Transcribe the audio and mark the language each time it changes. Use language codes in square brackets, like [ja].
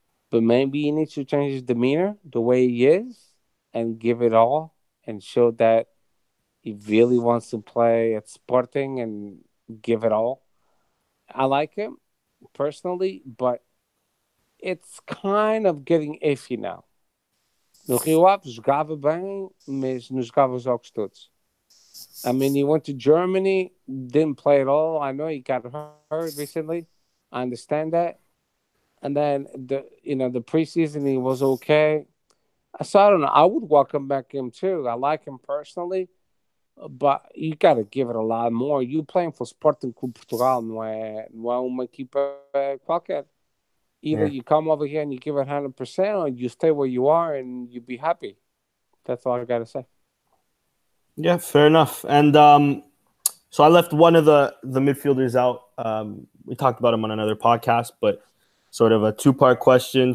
[en] But maybe he needs to change his demeanor the way he is and give it all and show that he really wants to play at Sporting and give it all. I like him personally, but it's kind of getting iffy now. [pt] No Rio Ave jogava bem, mas não jogava os jogos todos. [en] I mean, he went to Germany, didn't play at all. I know he got hurt recently. I understand that. And then the preseason he was okay. So I don't know. I would welcome back him too. I like him personally. But you got to give it a lot more. You're playing for Sporting Clube Portugal, [pt] não é uma equipa qualquer. [en] Either you come over here and you give it 100%, or you stay where you are and you be happy. That's all I got to say. Yeah, fair enough. And so I left one of the midfielders out. We talked about him on another podcast, but sort of a two-part question.